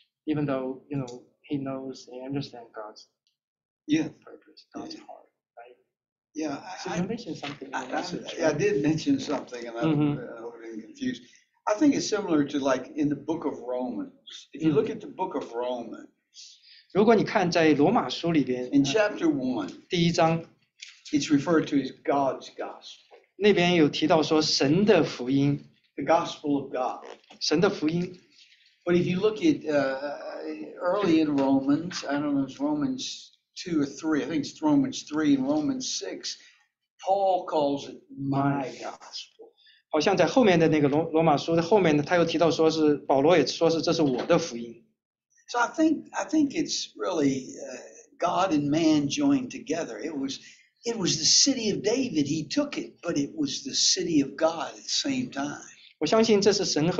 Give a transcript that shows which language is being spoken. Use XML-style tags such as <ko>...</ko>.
<en>Even though, you know, he knows and understands God's purpose, God's heart, right? Yeah. So you mentioned something in the message, I did mention something, and I don't get confused. I think it's similar to, like, in the book of Romans. If you look at the book of Romans,</en> <zh>如果你看在罗马书里边,</zh> <en>in chapter 1,</en> <zh>第一章,</zh> <en>it's referred to as God's gospel.</en> <zh>那边有提到说神的福音,</zh> <en>the gospel of God.</en> <zh>神的福音。</zh> <en>But if you look at early in Romans, I don't know if it's Romans 2 or 3, I think it's Romans 3 and Romans 6, Paul calls it my gospel.</en> <zh>好像在后面的那个罗马书的后面呢, 他又提到说是, 保罗也说是这是我的福音。</zh> <en>So I think it's really God and man joined together. It was the city of David. He took it, but it was the city of God at the same time.</en>